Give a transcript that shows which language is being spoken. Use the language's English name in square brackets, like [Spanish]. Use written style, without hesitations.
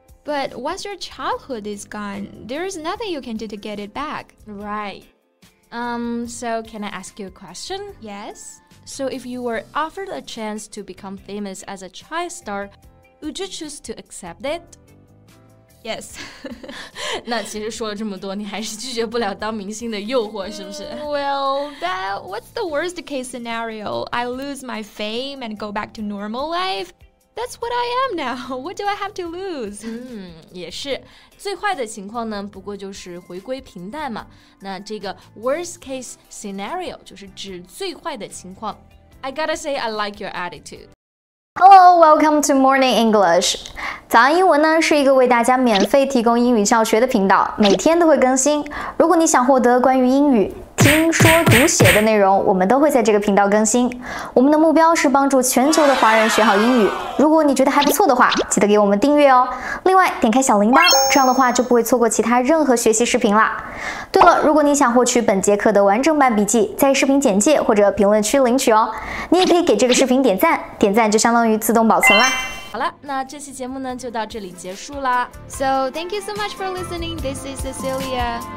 [English] But once your childhood is gone, there is nothing you can do to get it back. Right. So can I ask you a question? Yes. So if you were offered a chance to become famous as a child star, would you choose to accept it? Yes. [Chinese] 那其实说了这么多，你还是拒绝不了当明星的诱惑，是不是？ [English] Well, what's the worst case scenario? I lose my fame and go back to normal life? That's what I am now. What do I have to lose? [Chinese] 也是。最坏的情况呢，不过就是回归平淡嘛。那这个 [English] worst case scenario [Chinese] 就是指最坏的情况。 [English] I gotta say, I like your attitude. Hello, welcome to Morning English. [Chinese] 早安英文呢，是一个为大家免费提供英语教学的频道，每天都会更新。如果你想获得关于英语听说读写的内容，我们都会在这个频道更新。我们的目标是帮助全球的华人学好英语。如果你觉得还不错的话，记得给我们订阅哦。另外，点开小铃铛，这样的话就不会错过其他任何学习视频了。对了，如果你想获取本节课的完整版笔记，在视频简介或者评论区领取哦。你也可以给这个视频点赞，点赞就相当于自动保存啦。好了，那这期节目呢就到这里结束啦。 [English] So, thank you so much for listening. This is Cecilia.